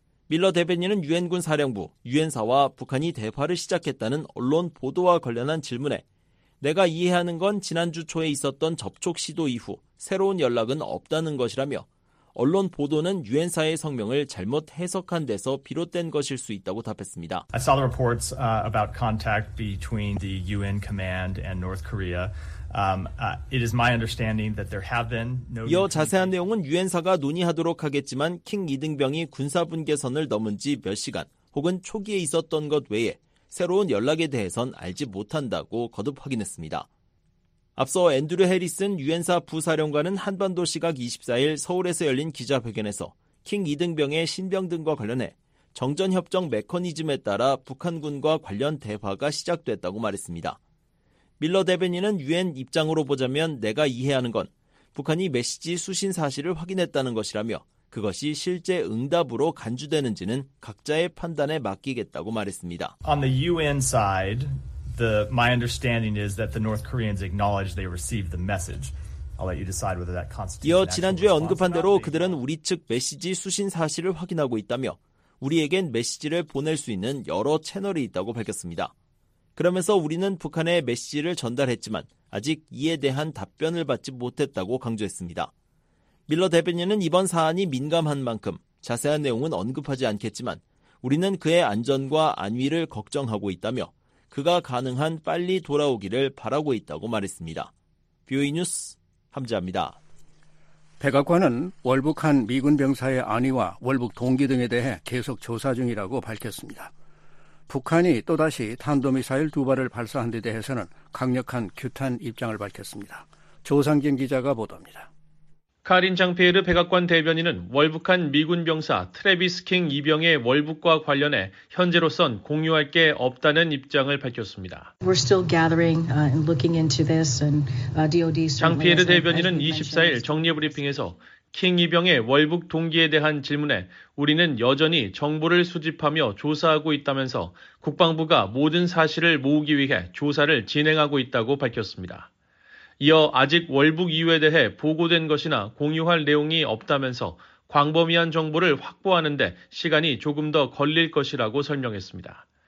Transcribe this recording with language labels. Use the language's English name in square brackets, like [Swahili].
[Korean] 밀러 대변인은 유엔군 사령부, 유엔사와 북한이 대화를 시작했다는 언론 보도와 관련한 질문에 내가 이해하는 건 지난주 초에 있었던 접촉 시도 이후 새로운 연락은 없다는 것이라며 언론 보도는 유엔사의 성명을 잘못 해석한 데서 비롯된 것일 수 있다고 답했습니다. [English] I saw the reports about contact between the UN command and North Korea. It is my understanding that there have been no. [Korean] 이어 자세한 내용은 유엔사가 논의하도록 하겠지만 킹 이등병이 군사 분계선을 넘은 지 몇 시간 혹은 초기에 있었던 것 외에 새로운 연락에 대해선 알지 못한다고 거듭 확인했습니다. 앞서 앤드류 해리슨 유엔사 부사령관은 한반도 시각 24일 서울에서 열린 기자회견에서 킹 이등병의 신병 등과 관련해 정전협정 메커니즘에 따라 북한군과 관련 대화가 시작됐다고 말했습니다. 밀러 대변인은 유엔 입장으로 보자면 내가 이해하는 건 북한이 메시지 수신 사실을 확인했다는 것이라며 그것이 실제 응답으로 간주되는지는 각자의 판단에 맡기겠다고 말했습니다. [English] On the UN side, my understanding is that the North Koreans acknowledge they received the message. I'll let you decide whether that constitutes. [Korean] 이어 지난주에 언급한 대로 그들은 우리 측 메시지 수신 사실을 확인하고 있다며 우리에겐 메시지를 보낼 수 있는 여러 채널이 있다고 밝혔습니다. 그러면서 우리는 북한에 메시지를 전달했지만 아직 이에 대한 답변을 받지 못했다고 강조했습니다. 밀러 대변인은 이번 사안이 민감한 만큼 자세한 내용은 언급하지 않겠지만 우리는 그의 안전과 안위를 걱정하고 있다며 그가 가능한 빨리 돌아오기를 바라고 있다고 말했습니다. 뷰이 뉴스 함재합니다. 백악관은 월북한 미군 병사의 안위와 월북 동기 등에 대해 계속 조사 중이라고 밝혔습니다. 북한이 또다시 탄도미사일 두 발을 발사한 데 대해서는 강력한 규탄 입장을 밝혔습니다. 조상진 기자가 보도합니다. 카린 장피에르 백악관 대변인은 월북한 미군 병사 트래비스 킹 이병의 월북과 관련해 현재로선 공유할 게 없다는 입장을 밝혔습니다. [English] We're still gathering and looking into this and DOD. [Korean] 장피에르 대변인은 24일 정례 브리핑에서 킹 이병의 월북 동기에 대한 질문에 우리는 여전히 정보를 수집하며 조사하고 있다면서 국방부가 모든 사실을 모으기 위해 조사를 진행하고 있다고 밝혔습니다. 이어 아직 월북 이유에 대해 보고된 것이나 공유할 내용이 없다면서 광범위한 정보를 확보하는 데 시간이 조금 더 걸릴 것이라고 설명했습니다.